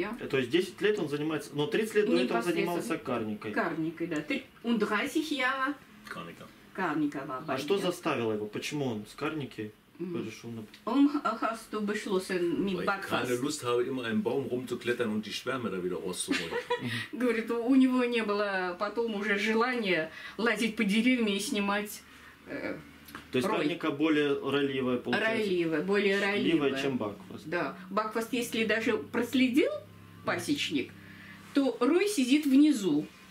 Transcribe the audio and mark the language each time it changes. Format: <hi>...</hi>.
<ru>То есть 10 лет он занимается, но 30 лет до этого он занимался карникой. Карникой, да.</ru> <de>Und 30 Jahre карника.</de> <ru>А что заставило его? Почему он с карники перешел на...</ru> <de>Um hast du beschlossen mit Backfast? Weil ich keine Lust habe, immer einen Baum rumzuklettern und die Schwärme da wieder rauszuholen.</de> <ru>Говорит, у него не было потом уже желания лазить по деревьям и снимать... То есть карника более ролевая получается? Ролевая, более ролевая. Чем Бакфаст. Да. Бакфаст, если даже проследил пасечник, то рой сидит внизу.</ru>